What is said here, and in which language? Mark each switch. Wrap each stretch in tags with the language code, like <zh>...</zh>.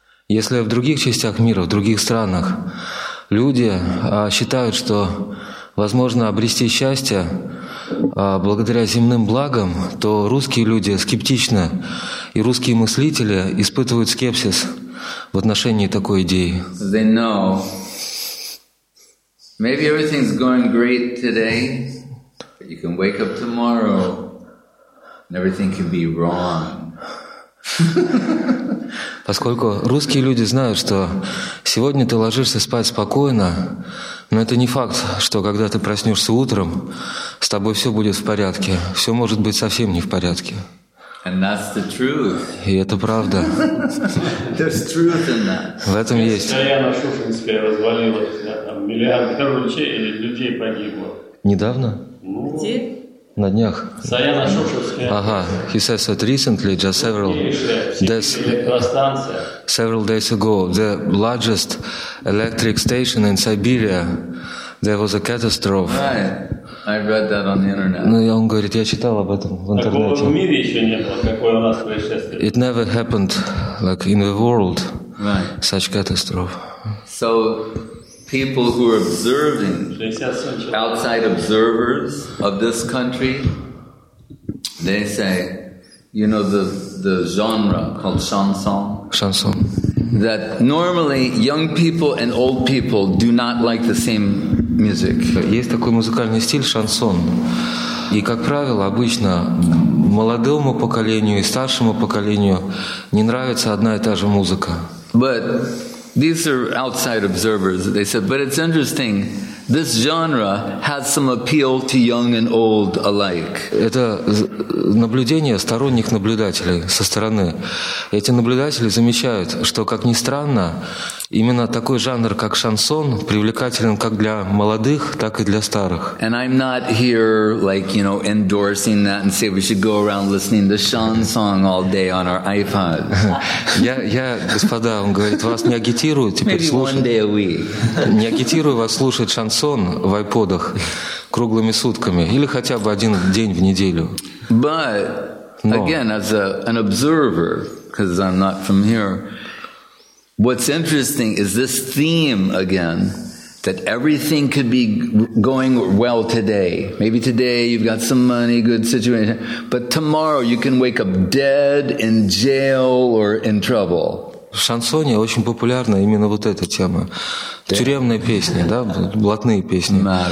<ru>Если в других частях мира, в других странах, люди считают, что возможно обрести счастье благодаря земным благам, то русские люди скептичны, и русские мыслители испытывают скепсис в отношении такой идеи.</ru> <en>They know. Maybe everything's going great today, but you can wake up tomorrow and everything can be wrong.</en> <ru>Поскольку русские люди знают, что сегодня ты ложишься спать спокойно, но это не факт, что когда ты проснешься утром, с тобой все будет в порядке. Все может быть совсем не в порядке.</ru> <en>And that's the truth.</en> <ru>И это правда.</ru> <en>There's truth in that.</en> <ru>В этом есть. Марьяна Шушинская развалилась, там миллиард людей погибло. Недавно? Где? На днях. Саяна Шушевская. Ага.</ru> <en>He says that recently, just several days, several days ago, the largest electric station in Siberia, there was a catastrophe. Right. I read that on the internet.</en> <ru>Ну, он говорит, я читал об этом в интернете. Такого в мире еще не было, какое у нас происшествие.</ru> <en>It never happened, like, in the world, right, such catastrophe. So, people who are observing, outside observers of this country, they say, you know, the genre called chanson. Chanson. That normally young people and old people do not like the same music.</en> <ru>Есть такой музыкальный стиль шансон, и как правило, обычно молодому поколению и старшему поколению не нравится одна и та же музыка.</ru> <en>But these are outside observers. They said, but it's interesting. This genre has some appeal to young and old alike.</en> <ru>Это наблюдение сторонних наблюдателей со стороны. Эти наблюдатели замечают, что, как ни странно, именно такой жанр, как шансон, привлекателен как для молодых, так и для старых.</ru> <en>And I'm not here, like, you know, endorsing that and say we should go around listening to chanson all day on our iPod.</en> <ru>Я, господа, он говорит, вас не агитирую теперь слушать. Не агитирую вас слушать шансон в iPod'ах круглыми сутками или хотя бы один день в неделю.</ru> <en>But again, as an observer, because I'm not from here. What's interesting is this theme again, that everything could be going well today. Maybe today you've got some money, good situation, but tomorrow you can wake up dead, in jail, or in trouble.</en> <ru>В шансоне очень популярна именно вот эта тема. Тюремные песни, да, блатные песни.</ru>